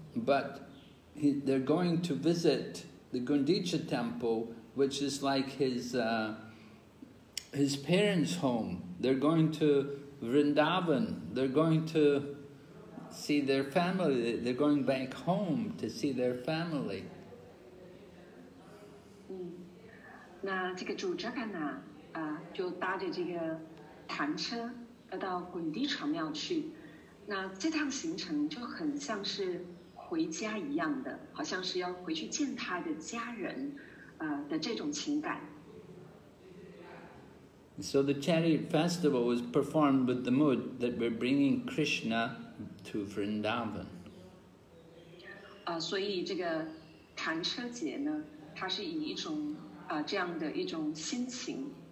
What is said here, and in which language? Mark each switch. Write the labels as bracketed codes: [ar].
[en] But they're going to visit the Gundicha temple, which is like his parents' home. They're going to Vrindavan, they're going to see their family, they're going back home to see their family. [zh] 那这个主扎嘎纳就搭着这个坛车要到滚地场庙去，那这趟行程就很像是回家一样的，好像是要回去见他的家人的这种情感。 [en] So the chariot festival was performed with the mood that we're bringing Krishna to Vrindavan. [zh] 所以这个坛车节呢，它是以一种这样的一种心情